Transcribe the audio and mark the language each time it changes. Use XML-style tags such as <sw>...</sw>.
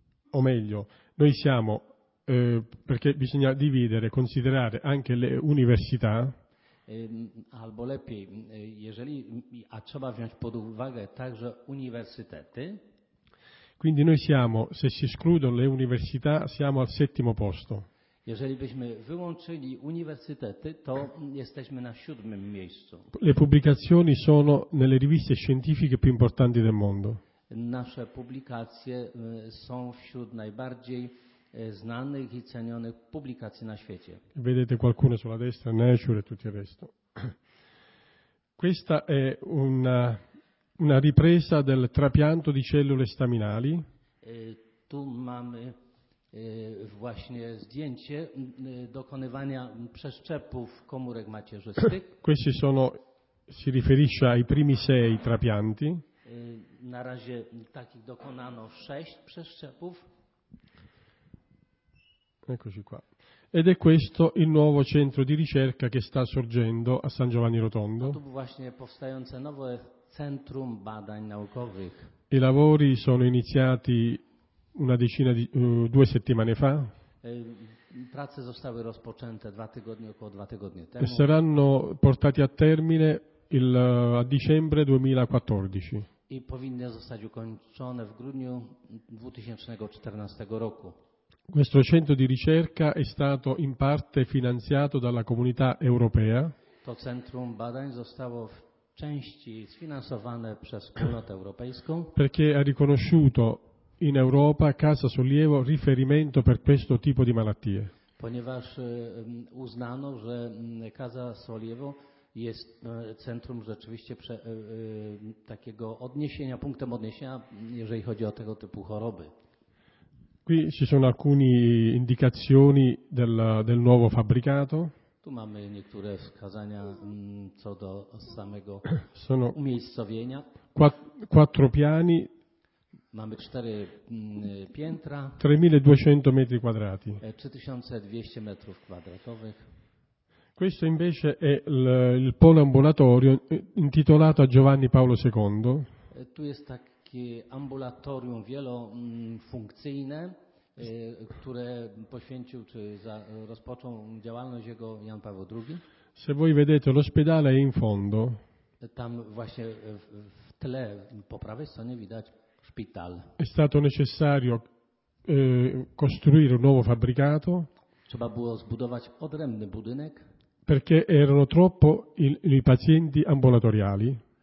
<it>O meglio, noi siamo, perché bisogna dividere, considerare anche le università.</it> <pl>Albo lepiej, jeżeli, a trzeba wziąć pod uwagę także uniwersytety.</pl> <it>Quindi noi siamo, se si escludono le università, siamo al 7° posto.</it> <pl>Jeżeli byśmy wyłączyli uniwersytety, to jesteśmy na 7° miejscu.</pl> <it>Le pubblicazioni sono nelle riviste scientifiche più importanti del mondo.</it> <pl>Nasze publikacje są wśród najbardziej znanych i cenionych publikacji na świecie.</pl> <it>Vedete qualcuno sulla destra, Nature e tutto il resto. Questa è una ripresa del trapianto di cellule staminali.</it> <pl>Tu mamy właśnie zdjęcie dokonywania przeszczepów komórek macierzystych.</pl> <it>Questi sono, si riferisce ai primi 6 trapianti.</it> <pl>Na razie takich dokonano 6 przeszczepów.</pl> <it>Eccoci qua. Ed è questo il nuovo centro di ricerca che sta sorgendo a San Giovanni Rotondo.</it> <pl>Tu właśnie powstające nowe centrum badań naukowych.</pl> <it>I lavori sono iniziati due settimane fa.</it> <pl>Prace zostały rozpoczęte około dwa tygodnie temu.</pl> <it>E saranno portati a termine a dicembre 2014.</it> <pl>I powinny zostać ukończone w grudniu 2014 roku.</pl> <it>Questo centro di ricerca è stato in parte finanziato dalla Comunità Europea.</it> <pl>To centrum badań zostało w części sfinansowane przez Unię Europejską.</pl> <it>Perché ha riconosciuto in Europa Casa Sollievo riferimento per questo tipo di malattie.</it> <pl>Ponieważ uznano, że Casa Sollievo jest centrum rzeczywiście takiego odniesienia, punktem odniesienia, jeżeli chodzi o tego typu choroby.</pl> <it>Qui ci sono alcune indicazioni del nuovo fabbricato.</it> <pl>Tu mamy niektóre wskazania co do samego sono umiejscowienia.</pl> <it>4 piani.</it> <pl>Mamy 4 piętra.</pl> <it>3200 metri quadrati.</it> <pl>3200 metrów kwadratowych.</pl> <it>Questo invece è il polo ambulatorio intitolato a Giovanni Paolo II.</it> <pl>Tu jest tak ambulatorium wielofunkcyjne, które poświęcił czy rozpoczął działalność jego Jan Paweł II.</pl> <it>Se voi vedete l'ospedale è in fondo.</it> <pl>Tam właśnie w tle po prawej stronie widać szpital.</pl> <it>È stato necessario costruire un nuovo fabbricato.</it> <pl>Trzeba było zbudować odrębny budynek.</pl> <it>Perché erano troppo i pacienti ambulatoriali.</it>